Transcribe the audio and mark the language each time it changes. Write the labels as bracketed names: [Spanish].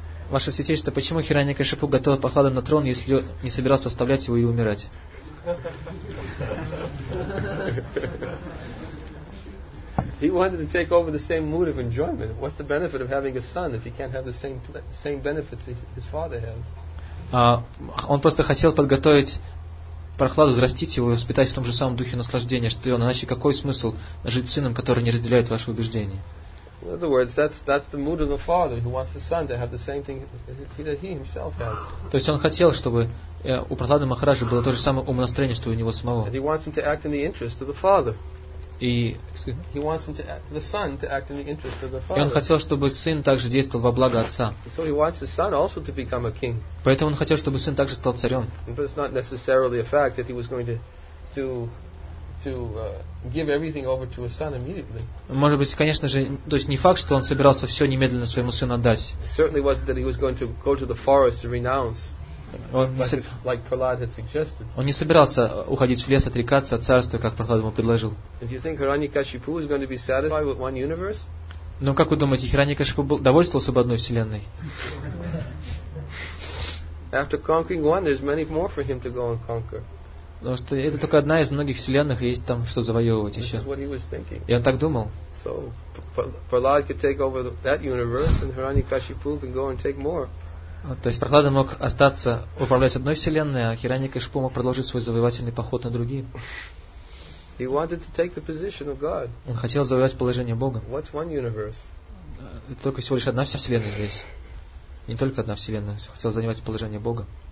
[Russian] Ваше святейшество, почему Хирани Кашипу готовил Прахлада на трон, если не собирался оставлять его и умирать? [English] He wanted to take over the same mood of enjoyment. What's the benefit of having a son if he can't have the same benefits his father has? [Russian] Он просто хотел подготовить Прахладу, взрастить его и воспитать в том же самом духе наслаждения, что и он. Иначе какой смысл жить с сыном, который не разделяет ваши убеждения? [English] In other words, that's the mood of the father who wants the son to have the same thing that he himself has. [Russian] То есть он хотел, чтобы у Прахлады Махараджи было то же самое умонастроение, что у него самого. [English] And he wants him to act in the interest of the father. [Russian] И [English] he wants him to act, the son to act in the interest of the father. [Russian] И он хотел, чтобы сын также действовал во благо отца. [English] So he wants his son also to become a king. [Russian] Поэтому он хотел, чтобы сын также стал царем. [English] But it's not necessarily a fact that he was going to give everything over to his son immediately. [Russian] Может быть, конечно же, то есть не факт, что он собирался все немедленно своему сыну отдать. [English] It certainly wasn't that he was going to go to the forest to renounce, like Prahlad had suggested. [Russian] Он не собирался уходить в лес, отрекаться от царства, как Прахлад ему предложил. [English] And you think Hirani Kashipu is going to be satisfied with one universe? [Russian] Но как вы думаете, Hirani Kashipu довольствовался бы одной вселенной? [English] After conquering one, there's many more for him to go and conquer. [Russian] Потому что это только одна из многих вселенных, и есть там что завоевывать еще. И он так думал. [English] So, Prahlad could take over that universe, and Hiranyakashipu can go and take more. [Russian] То есть Прохлада мог остаться управлять одной вселенной, а Хираньякашипу мог продолжить свой завоевательный поход на другие. [English] He wanted to take the position of God. [Russian] Он хотел завоевать положение Бога. [English] What's one universe? [Russian] Это только всего лишь одна вселенная здесь. Не только одна вселенная. Он хотел занимать положение Бога.